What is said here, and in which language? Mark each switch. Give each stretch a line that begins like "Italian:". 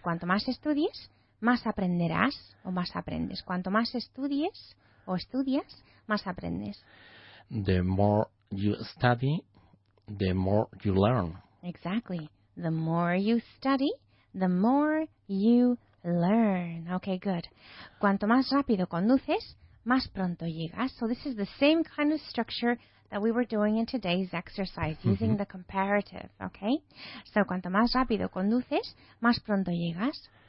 Spanish: Cuanto más estudies, más aprenderás o más aprendes. Cuanto más estudies o estudias, más aprendes.
English: The more you study, the more you learn. Exactly. The more you study, the more you learn. Okay, good. Cuanto más rápido conduces, más pronto llegas. So this is the same kind of structure that we were doing in today's exercise, using the comparative, okay?
Spanish: So, cuanto más rápido conduces, más pronto llegas.